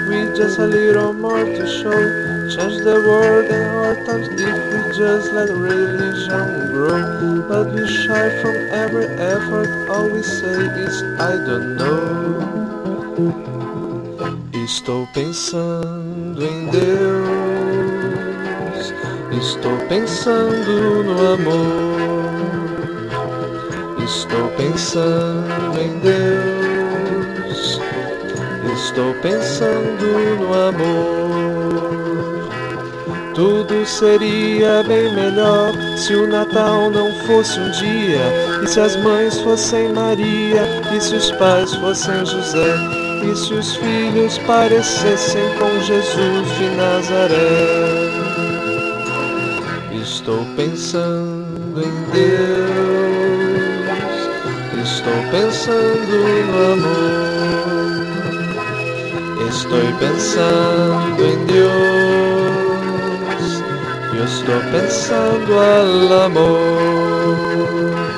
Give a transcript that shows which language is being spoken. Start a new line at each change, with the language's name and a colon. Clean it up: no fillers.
English: With just a little more to show, change the world and our times if we just let religion grow. But we shy from every effort, all we say is I don't know.
Portuguese: Estou pensando em Deus, estou pensando no amor. Estou pensando em Deus, estou pensando no amor. Tudo seria bem melhor se o Natal não fosse um dia, e se as mães fossem Maria, e se os pais fossem José, e se os filhos parecessem com Jesus de Nazaré. Estou pensando em Deus, estou pensando no amor.
Spanish: Estoy pensando en Dios, yo estoy pensando al amor.